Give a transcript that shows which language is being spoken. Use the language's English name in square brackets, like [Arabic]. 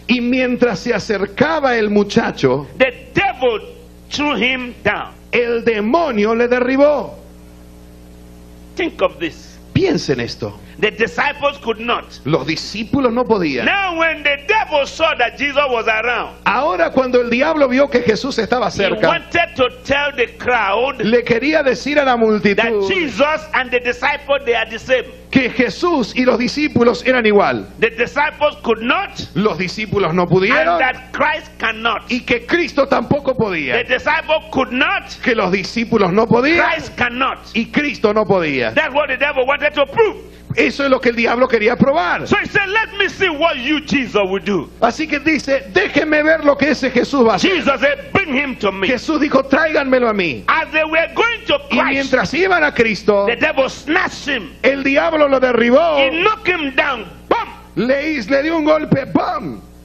[Spanish] y mientras se acercaba el muchacho, [English] the devil threw him down. [Spanish] El demonio le derribó. [English] Think of this. [Spanish] Piensen esto. [English] The disciples could not. [Spanish] Los discípulos no podían. [English] Now when the devil saw that Jesus was around, [Spanish] ahora cuando el diablo vio que Jesús estaba cerca, [English] he wanted to tell the crowd, [Spanish] le quería decir a la multitud, [English] that Jesus and the disciples, they are the same. [Spanish] Que Jesús y los discípulos eran igual. [English] The disciples could not, [Spanish] los discípulos no pudieron. [English] And that Christ cannot. [Spanish] Y que Cristo tampoco podía. [English] The disciples could not, [Spanish] que los discípulos no podían. [English] Christ cannot. [Spanish] Y Cristo no podía. [English] That's what the devil wanted to prove. [Spanish] Eso es lo que el diablo quería probar. [English] So he said, let me see what you, Jesus, will do. [Spanish] Así que dice, déjenme ver lo que ese Jesús va a hacer. [English] Jesus said, bring him to me. [Spanish] Jesús dijo, tráiganmelo a mí. [English] As they were going to Christ, [Spanish] y mientras iban a Cristo, [English] the devil snatched him. [Spanish] El diablo lo derribó. [English] He knocked him down. Boom. [Spanish] Le dio un golpe. Boom.